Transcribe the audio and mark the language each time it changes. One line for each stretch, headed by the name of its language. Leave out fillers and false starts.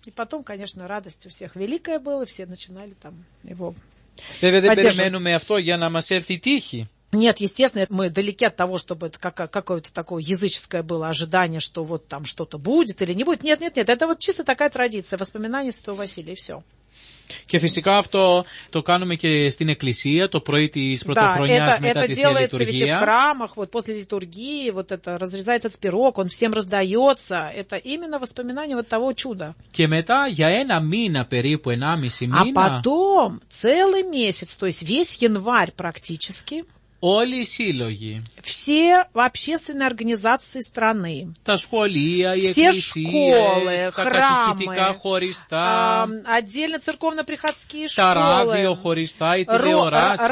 Russian: И потом, конечно, радость у всех великая была, и все начинали там его поддерживать.
Greek: Вебе, дебе, мену авто, я на массерти тихий.
Russian: Нет, естественно, мы далеки от того, чтобы это какое-то такое языческое было ожидание, что вот там что-то будет или не будет. Нет, это вот чисто такая традиция, воспоминание Святого Василия, и все.
Greek: Και φυσικά αυτό το κάνουμε και στην εκκλησία το πρωί της πρωτοχρονιάς μετά τη Θεία Λειτουργία.
Russian: Это делается в храмах, вот после литургии, вот это разрезается этот пирог, он всем раздается. Это именно воспоминание вот того чуда.
Greek: Και μετά για ένα μήνα περίπου, 1,5 μήνα.
Russian: А потом целый месяц, то есть весь январь практически.
Greek: Όλοι οι σύλλογοι.
Russian: Все общественные организации страны.
Greek: Τα σχολεία, οι εκκλησίες, τα καθηγητικά χωριστά.
Russian: Отдельно церковно-приходские школы.
Greek: Τα ράδιο χωριστά, οι τηλεοράσεις.